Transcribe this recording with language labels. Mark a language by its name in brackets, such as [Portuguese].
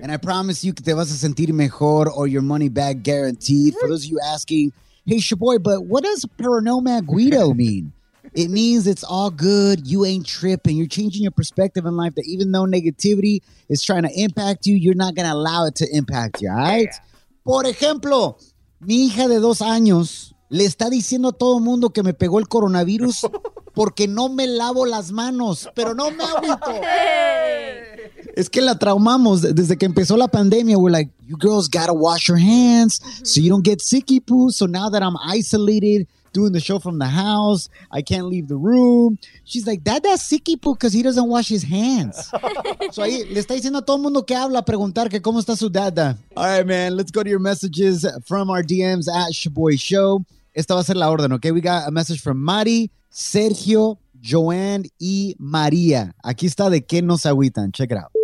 [English] And I promise you [Spanish] que te vas a sentir mejor or your [English] money back guaranteed. For those of you asking, hey, Shaboy, but what does [Spanish] pero no me agüito [English] mean? It means it's all good. You ain't tripping. You're changing your perspective in life that even though negativity is trying to impact you, you're not going to allow it to impact you, all right? Yeah. [Spanish] Por ejemplo, mi hija de 2 años le está diciendo a todo mundo que me pegó el coronavirus porque no me lavo las manos, pero no me agüito. [English] Hey. [Spanish] Es que la traumamos desde que empezó la pandemia. [English] We're like, you girls gotta wash your hands so you don't get sicky poo. So now that I'm isolated, doing the show from the house, I can't leave the room. She's like, dad, that's sicky poo because he doesn't wash his hands. [Spanish] So ahí le está diciendo a todo mundo que habla a preguntar que cómo está su dada. [English] All right, man, let's go to your messages from our DMs at Shaboy Show. [Spanish] Esta va a ser la orden, [English] okay? We got a message from Mari. [Spanish] Sergio, Joanne y María. Aquí está de qué nos agüitan. Check it out.